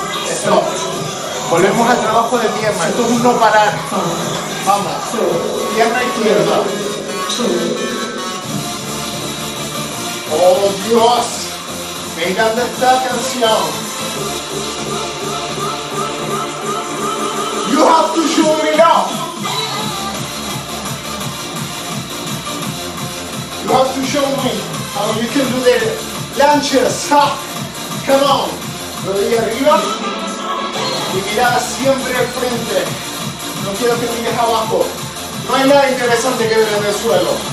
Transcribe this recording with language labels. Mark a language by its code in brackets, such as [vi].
[es] Esto. Volvemos al trabajo de pierna. Esto es un no parar. Vamos. Pierna izquierda. Oh Dios. Me encanta esta canción. [en] You have to show me love. You have to show me how you can do the lunges. Come on. [es] Rodilla arriba. Y mirada siempre al frente. No quiero que mires abajo. No hay nada interesante que ver en el suelo.